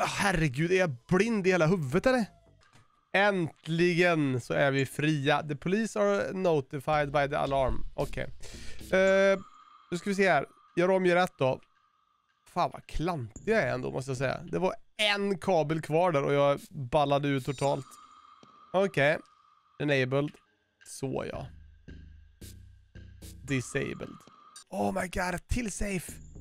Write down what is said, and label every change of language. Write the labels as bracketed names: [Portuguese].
[Swedish] Herregud, är jag blind i hela huvudet eller? Äntligen så är vi fria. [English] The police are notified by the alarm. [Swedish] Okej. Okay. Nu ska vi se här. Gör om ju rätt då. Fan vad klantig jag är ändå måste jag säga. Det var en kabel kvar där och jag ballade ut totalt. Okej. Okay. Enabled. Så ja. Disabled. [English] Oh my god, [Swedish] till safe.